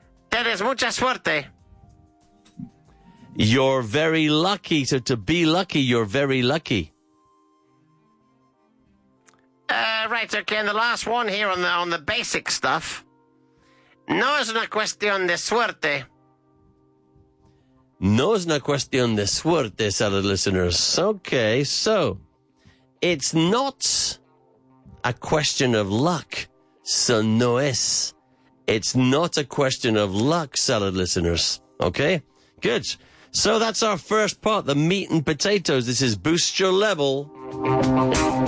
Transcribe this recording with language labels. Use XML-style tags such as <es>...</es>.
<es>Tienes mucha suerte.</es> <en>You're very lucky. So to be lucky, you're very lucky. Right, okay, and the last one here on the basic stuff.</en> <es>No es una cuestión de suerte. No es una cuestión de suerte,</es> <en>salad listeners. Okay, so, it's not a question of luck, so</en> <es>no es.</es> <en>It's not a question of luck, salad listeners. Okay, good. So that's our first part, the meat and potatoes. This is Boost Your Level.</en>